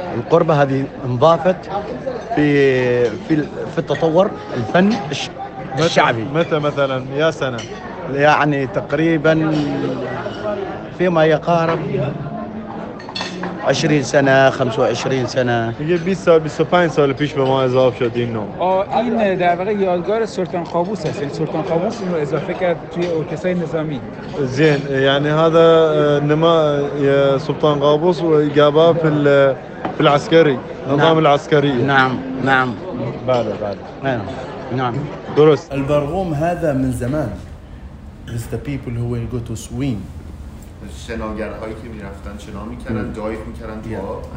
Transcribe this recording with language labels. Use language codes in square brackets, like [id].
[ar] القربه هذه انضافت في التطور الفن الشعبي. متى مثلا يا سنة؟ يعني تقريبا فيما يقارب 20 سنة 25 سنة. يجي 20 سنة 25 سنة [fa] پیش به ما اضافه شد این نوع. این در واقع یادگار سلطان قابوس است. سلطان قابوس اینو اضافه کرد توی ارکستر نظامی. [ar] زين يعني هذا نما سلطان قابوس وجابه في العسكري نظام العسكري. نعم نعم. [fa] بعد درست. [ar] البرغوم هذا من زمان. [en] It's the people who will go to swim. [fa] شناگرهایی که میرفتن شنا میکردن، دایف میکردن تو آب.